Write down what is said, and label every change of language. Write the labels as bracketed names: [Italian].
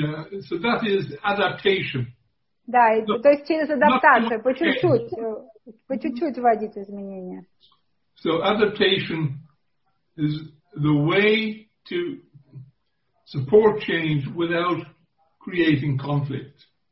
[English] Yeah, so that is adaptation. [Russian] Да, то есть через адаптацию, по чуть-чуть вводить изменения. [English] So adaptation is the way to support change without creating conflict.